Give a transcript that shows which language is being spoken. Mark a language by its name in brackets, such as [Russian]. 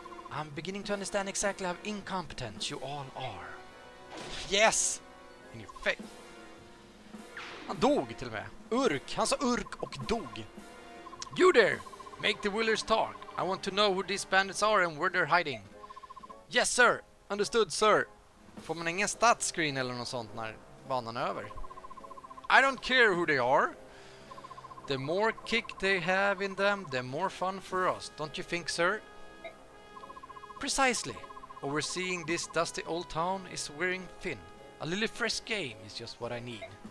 [English] I'm beginning to understand exactly how incompetent you all are. Yes! In your face. [Swedish] Han dog till och med. Urk! Han sa urk och dog. [English] You there! Make the willers talk. I want to know who these bandits are and where they're hiding. Yes, sir! Understood, sir. [Swedish] Får man ingen statscreen eller något sånt när banan är över? [English] I don't care who they are. The more kick they have in them, the more fun for us. Don't you think, sir? Precisely. Overseeing this dusty old town is wearing thin. A little fresh game is just what I need.